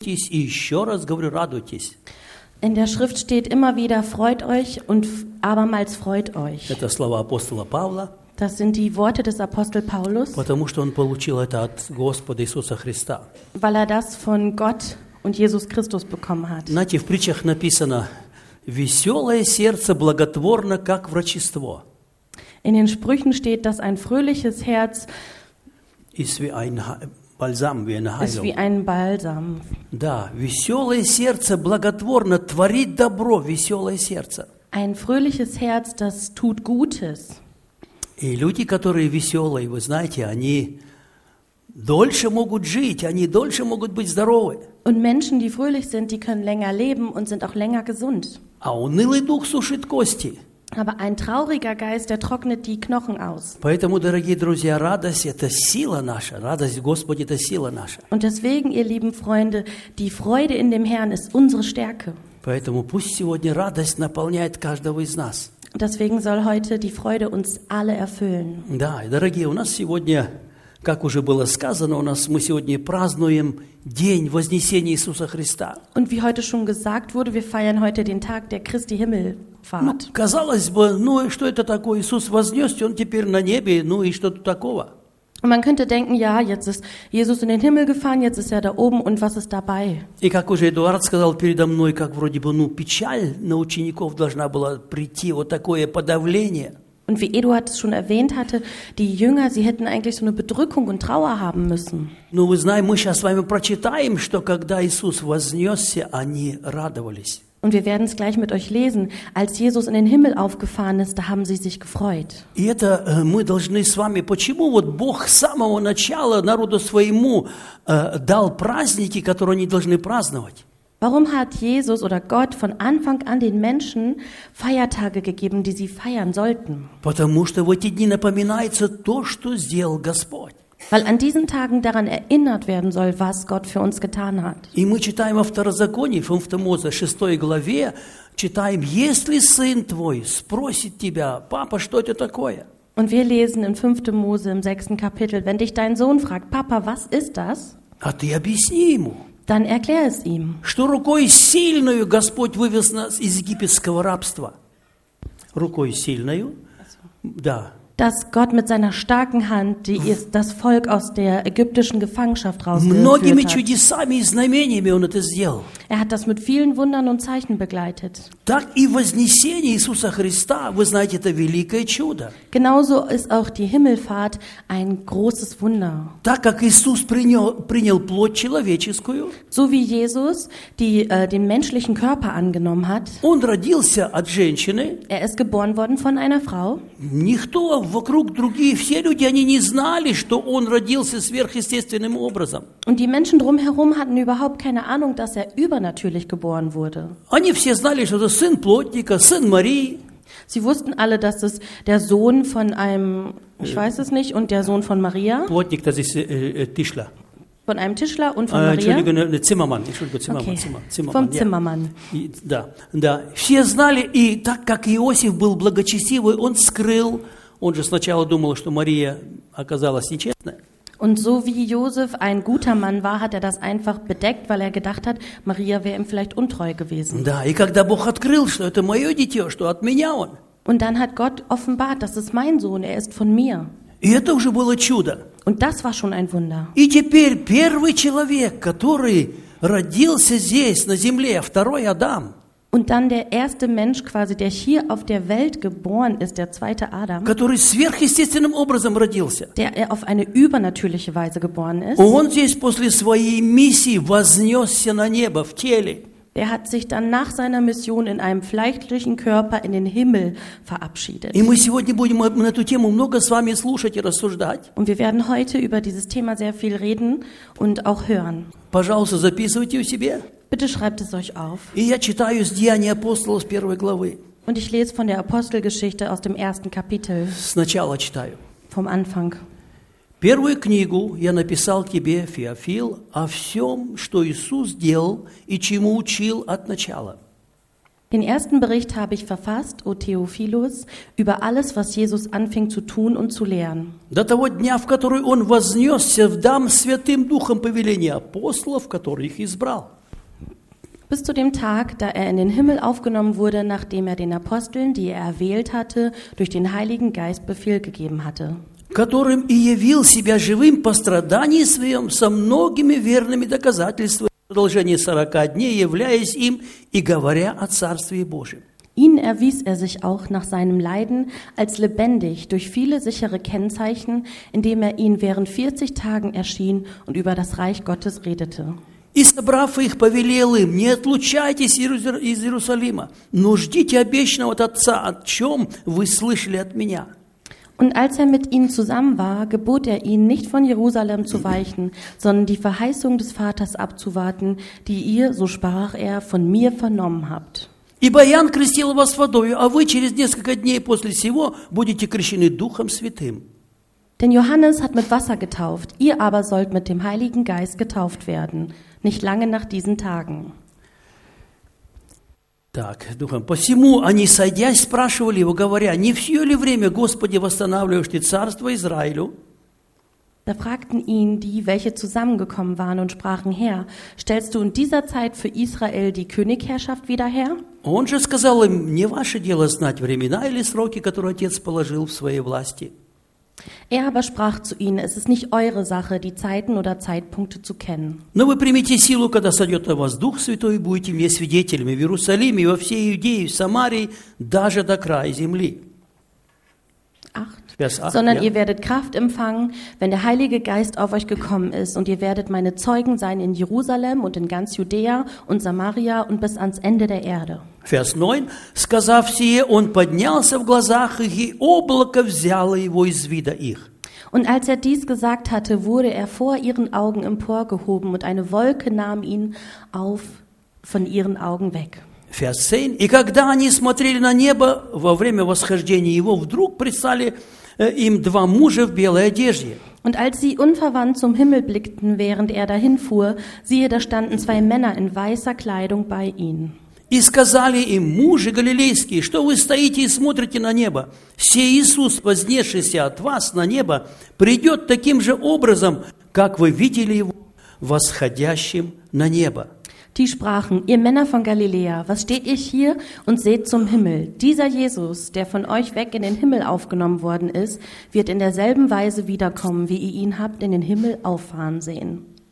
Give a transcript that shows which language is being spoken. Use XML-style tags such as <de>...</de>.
<ru>радуйтесь, и еще раз говорю, радуйтесь.</ru> <de>In der Schrift steht immer wieder, freut euch und abermals freut euch.</de> <ru>Это слова апостола Павла.</ru> <de>Das sind die Worte des Apostel Paulus.</de> <ru>Потому что он получил это от Господа Иисуса Христа.</ru> <de>Weil er das von Gott und Jesus Christus bekommen hat.</de> <ru>Знаете, в притчах написано, веселое сердце благотворно, как врачество.</ru> <de>In den Sprüchen steht, dass ein fröhliches Herz ist wie ein Бальзам, wie eine Heilung. Ist wie ein Balsam.</de> <ru>Да, веселое сердце благотворно, творит добро, веселое сердце.</ru> <de>Ein fröhliches Herz, das tut Gutes.</de> <ru>И люди, которые веселые, вы знаете, они дольше могут жить, они дольше могут быть здоровы.</ru> <de>Und Menschen, die fröhlich sind, die können länger leben und sind auch länger gesund.</de> <ru>А унылый дух сушит кости.</ru> <de>Aber ein trauriger Geist, der trocknet die Knochen aus.</de> <ru>Поэтому, дорогие друзья, радость – это сила наша. Радость в Господе – это сила наша.</ru> <de>Und deswegen, ihr lieben Freunde, die Freude in dem Herrn ist unsere Stärke.</de> <ru>Поэтому пусть сегодня радость наполняет каждого из нас.</ru> <de>Deswegen soll heute die Freude uns alle erfüllen.</de> <ru>Да, дорогие, у нас сегодня, как уже было сказано, у нас мы сегодня празднуем день Вознесения Иисуса Христа.</ru> <de>Und wie heute schon gesagt wurde, wir feiern heute den Tag der Christi Himmelfahrt.</de> <ru>Ну, казалось бы, ну и что это такое? Иисус вознесся, он теперь на небе, ну и что-то такого?</ru> <de>Man könnte denken, ja, jetzt ist Jesus in den Himmel gefahren, jetzt ist er da oben und was ist dabei?</de> <ru>И как уже Эдуард сказал передо мной, как вроде бы, ну, печаль на учеников должна была прийти, вот такое подавление.</ru> <de>Und wie Eduard es schon erwähnt hatte, die Jünger, sie hätten eigentlich so eine Bedrückung und Trauer haben müssen.</de> <ru>Ну, вы знаете, мы сейчас с вами прочитаем, что когда Иисус вознесся, они радовались.</ru> <de>Und wir werden es gleich mit euch lesen. Als Jesus in den Himmel aufgefahren ist, da haben sie sich gefreut.</de> <ru>И это мы должны с вами, почему вот Бог с самого начала народу своему дал праздники, которые они должны праздновать?</ru> <de>Warum hat Jesus oder Gott von Anfang an den Menschen Feiertage gegeben, die sie feiern sollten?</de> <ru>Потому что в эти дни напоминается то, что сделал Господь.</ru> <de>Weil an diesen Tagen daran erinnert werden soll, was Gott für uns getan hat.</de> <ru>И мы читаем во Второзаконии, 5 Мозе, 6 главе, читаем, если сын твой спросит тебя, папа, что это такое?</ru> <de>Und wir lesen in 5 Mose im 6. Kapitel, wenn dich dein Sohn fragt, Papa, was ist das?</de> <ru>А ты объясни ему.</ru> <de>Dann erklär es ihm.</de> <ru>Что рукой сильною Господь вывел нас из египетского рабства. Рукой сильною, да.</ru> <de>Dass Gott mit seiner starken Hand das Volk aus der ägyptischen Gefangenschaft rausgeführt hat.</de> <ru>Многими чудесами и знамениями он это сделал.</ru> <de>Er hat das mit vielen Wundern und Zeichen begleitet.</de> <ru>Так и вознесение Иисуса Христа, вы знаете, это великое чудо.</ru> <de>Genauso ist auch die Himmelfahrt ein großes Wunder.</de> <ru>Так как Иисус принял плоть человеческую,</ru> <de>so wie Jesus den menschlichen Körper angenommen hat,</de> <ru>он родился от женщины,</ru> <de>er ist geboren worden von einer Frau,</de> <ru>никто вокруг другие, все люди, они не знали, что он родился сверхъестественным образом.</ru> <de>Und die Menschen drumherum hatten überhaupt keine Ahnung, dass er übernatürlich geboren wurde.</de> <ru>Они все знали, что это сын плотника, сын Марии.</ru> <de>Sie wussten alle, dass es der Sohn von einem, ich weiß es nicht, und der Sohn von Maria. Плотник, das ist Tischler. Von einem Tischler und von Maria. Entschuldigung, Zimmermann. Entschuldigung, Zimmermann. Okay. Zimmermann. Vom Zimmermann. Ja.</de> <ru>Да. Все знали, и так как Иосиф был благочестивый, он скрыл. Он же сначала думал, что Мария оказалась нечестной.</ru> <de>Und so wie Josef ein guter Mann war, hat das einfach bedeckt, weil gedacht hat, Maria wäre ihm vielleicht untreu gewesen.</de> <ru>Да, и когда Бог открыл, что это мое дитё, что от меня он.</ru> <de>Und dann hat Gott offenbart, das ist mein Sohn, ist von mir.</de> <ru>И это уже было чудо.</ru> <de>Und das war schon ein Wunder.</de> <ru>И теперь первый человек, который родился здесь, на земле, второй Адам.</ru> <de>Und dann der erste Mensch quasi, der hier auf der Welt geboren ist, der zweite Adam,</de> <ru>который сверхъестественным образом родился,</ru> <de>der auf eine übernatürliche Weise geboren ist,</de> <ru>он здесь после своей миссии вознесся на небо в теле.</ru> <de>Der hat sich dann nach seiner Mission in einem fleischlichen Körper in den Himmel verabschiedet.</de> <ru>И мы сегодня будем на эту тему много с вами слушать и рассуждать.</ru> <de>Und wir werden heute über dieses Thema sehr viel reden und auch hören.</de> <ru>Пожалуйста, записывайте у себя.</ru> <de>Bitte schreibt es euch auf.</de> <ru>И я читаю из Деяний апостолов с первой главы.</ru> <de>Und ich lese von der Apostelgeschichte aus dem ersten Kapitel.</de> <ru>Сначала читаю.</ru> <de>Vom Anfang.</de> <ru>Первую книгу я написал тебе, Феофил, о всем, что Иисус делал и чему учил от начала.</ru> <de>Den ersten Bericht habe ich verfasst, o Theophilus, über alles, was Jesus anfing zu tun und zu lehren.</de> <ru>До того дня, в который он вознесся в дам святым духом повеления апостолов, которых избрал.</ru> <de>bis zu dem Tag, da er in den Himmel aufgenommen wurde, nachdem er den Aposteln, die er erwählt hatte, durch den Heiligen Geist Befehl gegeben hatte.</de> <ru>Которым и явил себя живым по страдании своем со многими верными доказательствами в продолжении 40 дней, являясь им и говоря о Царстве Божьем.</ru> <de>Ihn erwies er sich auch nach seinem Leiden als lebendig durch viele sichere Kennzeichen, indem er ihnen während 40 Tagen erschien und über das Reich Gottes redete.</de> <ru>И собрав их, повелел им, не отлучайтесь из Иерусалима, но ждите обещанного от Отца, о чем вы слышали от меня.</ru> <de>Und als er mit ihnen zusammen war, gebot er ihnen, nicht von Jerusalem zu weichen, sondern die Verheißung des Vaters abzuwarten, die ihr, so sprach er, von mir vernommen habt.</de> <ru>Ибо Иоанн крестил вас водою, а вы через несколько дней после сего будете крещены Духом Святым.</ru> <de>Denn Johannes hat mit Wasser getauft, ihr aber sollt mit dem Heiligen Geist getauft werden, nicht lange nach diesen Tagen.</de> <ru>Так, Духом, посему они, сойдясь, спрашивали его, говоря, не все ли время, Господи, восстанавливаешь ты царство Израилю?</ru> <de>Da fragten ihn die, welche zusammengekommen waren, und sprachen: Herr, stellst du in dieser Zeit für Israel die Königherrschaft wieder her?</de> <ru>Он же сказал им, не ваше дело знать времена или сроки, которые Отец положил в своей власти.</ru> <de>Er aber sprach zu ihnen, es ist nicht eure Sache, die Zeiten oder Zeitpunkte zu kennen.</de> <ru>Но вы примите силу, когда сойдет на вас Дух Святой, и будете мне свидетелями в Иерусалиме, и во всей Иудее, и в Самарии, даже до края земли.</ru> <de>Sondern ihr werdet Kraft empfangen, wenn der Heilige Geist auf euch gekommen ist, und ihr werdet meine Zeugen sein in Jerusalem und in ganz Judäa und Samaria und bis ans Ende der Erde. Vers 9.</de> <ru>Сказав сие, он поднялся в глазах их, и облако взяло его из вида их.</ru> <de>Und als er dies gesagt hatte, wurde er vor ihren Augen emporgehoben, und eine Wolke nahm ihn auf von ihren Augen weg. Vers 10.</de> <ru>И когда они смотрели на небо во время восхождения его, вдруг пристали им два мужа в белой одежде.</ru> <de>Und als sie unverwandt zum Himmel blickten, während er dahinfuhr, siehe, da standen zwei Männer in weißer Kleidung bei ihnen.</de> <ru>И сказали им: мужи галилейские, что вы стоите и смотрите на небо? Сей Иисус, вознесшийся от вас на небо, придет таким же образом, как вы видели его восходящим на небо.</ru> <de>Die sprachen: Ihr Männer von Galiläa, was steht ihr hier und seht zum Himmel? Dieser Jesus, der von euch weg in den Himmel aufgenommen worden ist, wird in derselben Weise wiederkommen, wie ihr ihn habt in den Himmel auffahren sehen.</de>